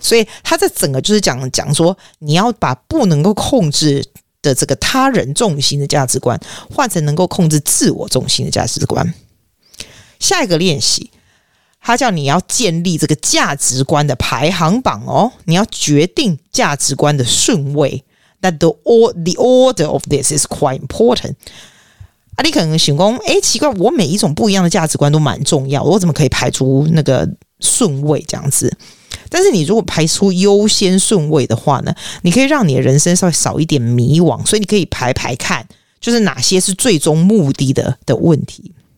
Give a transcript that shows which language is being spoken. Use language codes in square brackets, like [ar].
[zh] 所以他在整个就是讲说，你要把不能够控制的这个他人重心的价值观，换成能够控制自我重心的价值观。下一个练习，他叫你要建立这个价值观的排行榜哦，你要决定价值观的顺位。 [en] That the order of this is quite important. [zh] 啊、你可能想说诶奇怪，我每一种不一样的价值观都蛮重要，我怎么可以排除那个顺位这样子。但是你如果排出优先顺位的话呢，你可以让你的人生稍微少一点迷惘，所以你可以排排看就是哪些是最终目的 的问题。